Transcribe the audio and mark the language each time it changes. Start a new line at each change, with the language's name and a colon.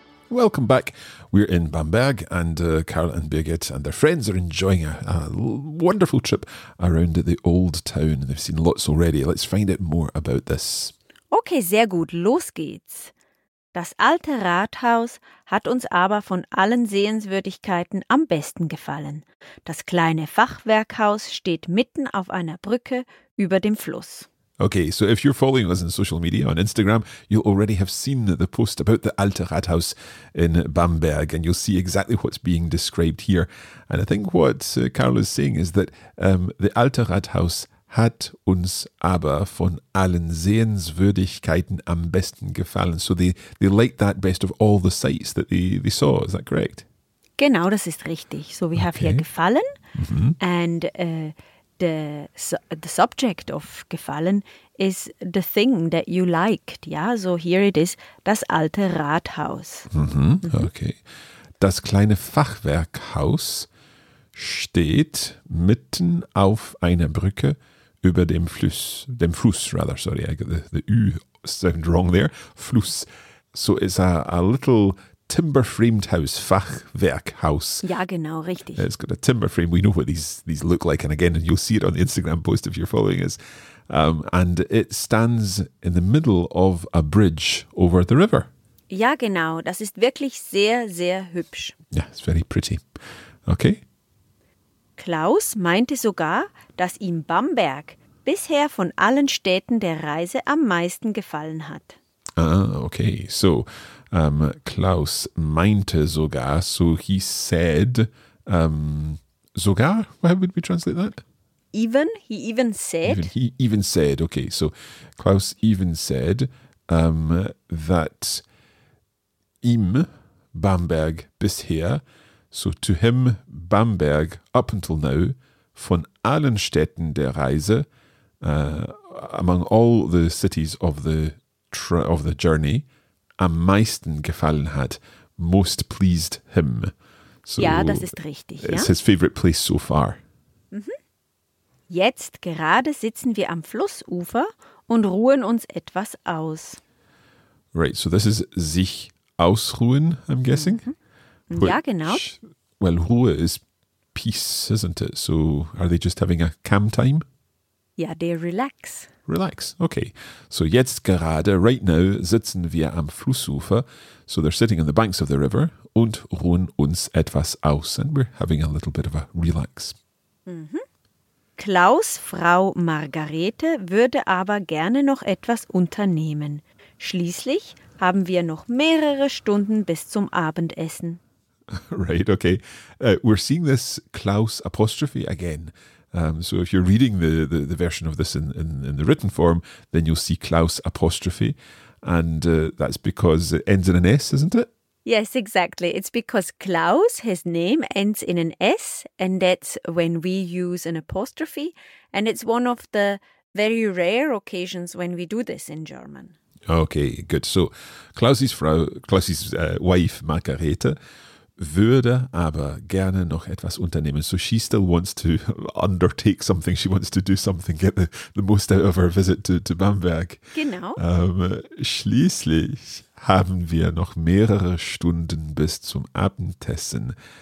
English: Welcome back. We're in Bamberg and Carol and Birgit and their friends are enjoying a wonderful trip around the old town. They've seen lots already. Let's find out more about this.
German: Okay, sehr gut. Los geht's. Das alte Rathaus hat uns aber von allen Sehenswürdigkeiten am besten gefallen. Das kleine Fachwerkhaus steht mitten auf einer Brücke über dem Fluss.
English: Okay, so if you're following us on social media, on Instagram, you'll already have seen the post about the Alte Rathaus in Bamberg, and you'll see exactly what's being described here. And I think what Carol is saying is that the Alte Rathaus
German: hat uns aber von allen Sehenswürdigkeiten am besten gefallen.
English: So they liked that best of all the sights that they saw. Is that correct?
German: Genau, das ist richtig.
English: So we have here
German: gefallen. Mm-hmm.
English: And the subject of gefallen is the thing that you liked. Yeah, so here it is, das alte Rathaus. Mm-hmm. Mm-hmm. Okay.
German: Das kleine Fachwerkhaus steht mitten auf einer Brücke über dem Fluss. Dem Fluss, rather.
English: Sorry, I got the U sound wrong there. Fluss. So it's a little timber-framed house, Fachwerkhaus.
German: Ja, genau, richtig.
English: It's got a timber frame. We know what these look like. And again, you'll see it on the Instagram post if you're following us. And it stands in the middle of a bridge over the river.
German: Ja, genau. Das ist wirklich sehr, sehr hübsch.
English: Yeah, it's very pretty. Okay.
German: Klaus meinte sogar, dass ihm Bamberg bisher von allen Städten der Reise am meisten gefallen hat.
English: Ah, okay. So,
German: Klaus meinte sogar,
English: so he said, sogar, how would we translate that? He even said, okay. So, Klaus even said that
German: ihm Bamberg bisher,
English: so to him Bamberg up until now,
German: von allen Städten der Reise,
English: among all the cities of the journey,
German: am meisten gefallen hat,
English: most pleased him.
German: So ja, das ist richtig.
English: It's
German: ja?
English: his favorite place so far. Mhm.
German: Jetzt gerade sitzen wir am Flussufer und ruhen uns etwas aus.
English: Right, so this is sich ausruhen, I'm guessing.
German: Mhm. Which, ja, genau.
English: Well, Ruhe is peace, isn't it? So are they just having a calm time? Ja, they relax. Relax. Okay. So
German: jetzt gerade,
English: right now,
German: sitzen wir am Flussufer.
English: So they're sitting on the banks of the river
German: und ruhen uns etwas aus.
English: And we're having a little bit of a relax. Mm-hmm.
German: Klaus' Frau Margarete würde aber gerne noch etwas unternehmen. Schließlich haben wir noch mehrere Stunden bis zum Abendessen.
English: Right. Okay. We're seeing this Klaus apostrophe again. So if you're reading the version of this in the written form, then you'll see Klaus apostrophe. And that's because it ends in an S, isn't it? Yes, exactly. It's because Klaus, his name, ends in an S. And that's when we use an apostrophe. And it's one of the very rare occasions when we do this in German. Okay, good. So Klaus's Frau, Klaus's wife, Margarete,
German: würde aber gerne noch etwas unternehmen.
English: So she still wants to undertake something. She wants to do something, get the most out of her visit to Bamberg.
German: Genau. Schließlich haben wir noch mehrere Stunden bis zum Abendessen.